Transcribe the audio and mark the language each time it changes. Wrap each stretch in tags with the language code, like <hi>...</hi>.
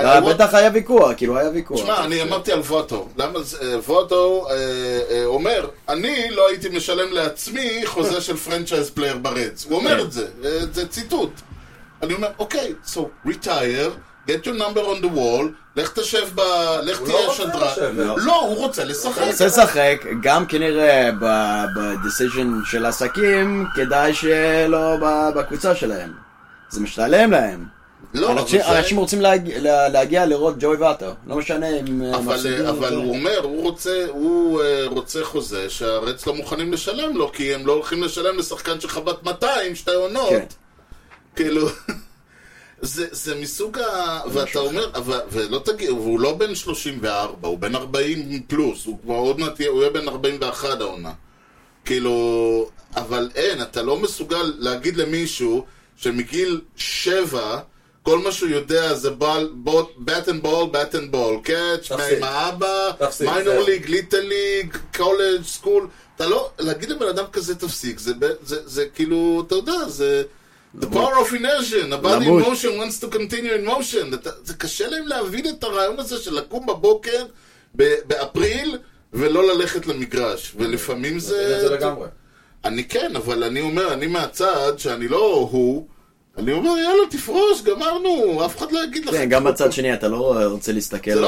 <he>בטח היה ויכוח, כאילו היה ויכוח. תשמע, אני אמרתי על ווטו. למה זה? ווטו אומר, אני לא הייתי משלם לעצמי חוזה של פרנצ'ייז פלייר ברדס. הוא אומר את זה, זה ציטוט. אני אומר, אוקיי,</he> <en>so retire, get your number on the wall,</en> <he>לך תשב ב... לך תהיה שדרה. לא, הוא רוצה לשחק. רוצה לשחק, גם כנראה בדיסיז'ן של עסקים, כדאי שלא בקבוצה שלהם. זה משתלם להם. אנשים רוצים להגיע לראות ג'וי וטו, לא משנה אם... אבל הוא אומר, הוא רוצה חוזה שהרץ לא מוכנים לשלם לו, כי הם לא הולכים לשלם לשחקן שחבט 200, שתי עונות. כאילו, זה מסוג ה... ואתה אומר, ולא תגיע, והוא לא בן 34, הוא בן 40 פלוס, הוא כבר עוד מעט יהיה, הוא יהיה בן 41 העונה. כאילו, אבל אין, אתה לא מסוגל להגיד למישהו שמגיל 7... כל מה שהוא יודע זה</he> <en>bat and ball, bat and ball, catch,</en> <he>עם האבא,</he> <en>minor league, little league, college, school.</en> <he>אתה לא, להגיד לבן אדם כזה תפסיק, זה כאילו, אתה יודע, זה</he> <en>the power of inertia, the body in motion</en> <he>wants to continue in motion. זה קשה להם להבין את הרעיון הזה של לקום בבוקר באפריל ולא ללכת למגרש. ולפעמים זה... זה לגמרי. אני כן, אבל אני אומר, אני מהצד שאני לא הוא, אני אומר, יאללה, תפרוש, גמרנו, אף אחד לא יגיד לך. כן, גם בצד שני, אתה לא רוצה להסתכל</he>